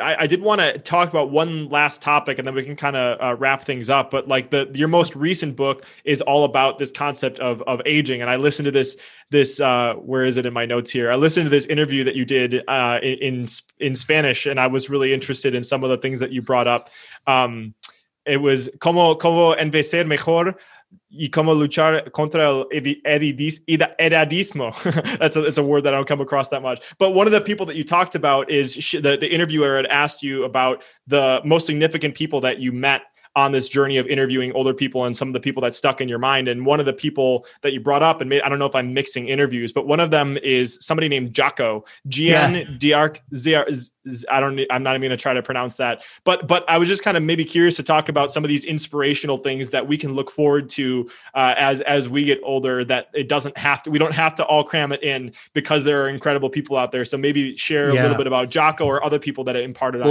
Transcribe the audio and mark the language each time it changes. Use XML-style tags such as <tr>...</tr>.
<en>I did want to talk about one last topic, and then we can kind of wrap things up. But like, your most recent book is all about this concept of aging, and I listened to this where is it in my notes here? I listened to this interview that you did in Spanish, and I was really interested in some of the things that you brought up. It was</en> <es>cómo envejecer mejor y cómo luchar contra el edadismo.</es> <en>That's a word that I don't come across that much. But one of the people that you talked about is the interviewer had asked you about the most significant people that you met on this journey of interviewing older people and some of the people that stuck in your mind. And one of the people that you brought up, and made, I don't know if I'm mixing interviews, but one of them is somebody named Jocko, Gian Diarc, I'm not even going to try to pronounce that, but I was just kind of maybe curious to talk about some of these inspirational things that we can look forward to as we get older, that it doesn't have to, we don't have to all cram it in because there are incredible people out there. So maybe share a little bit about Jocko or other people that it imparted</en>